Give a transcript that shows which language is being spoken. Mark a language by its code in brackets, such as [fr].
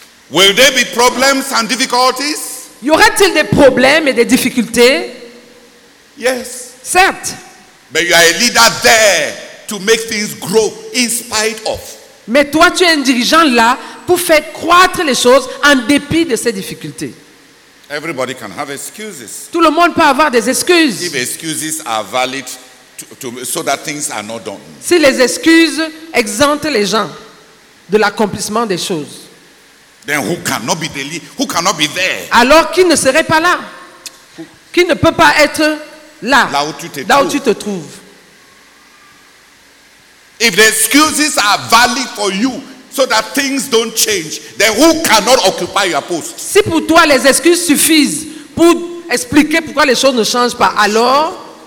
[en] Will there be problems and difficulties? [fr] Y aura-t-il des problèmes et des difficultés? [en] Yes. [fr] Certes. [en] But you are a leader there to make things grow in spite of. [fr] Mais toi, tu es un dirigeant là pour faire croître les choses en dépit de ces difficultés. [en] Everybody can have excuses. [fr] Tout le monde peut avoir des excuses. [en] If excuses are valid, so that things are not done. [fr] Si les excuses exemptent les gens de l'accomplissement des choses. [en] Then who cannot be there? Who cannot be there? [fr] Alors qui ne serait pas là? Qui ne peut pas être là? Là où tu te, là où tu te trouves. [en] If the excuses are valid for you, so that things don't change, then who cannot occupy your post? [fr] Si pour toi les excuses suffisent pour expliquer pourquoi les choses ne changent pas, alors.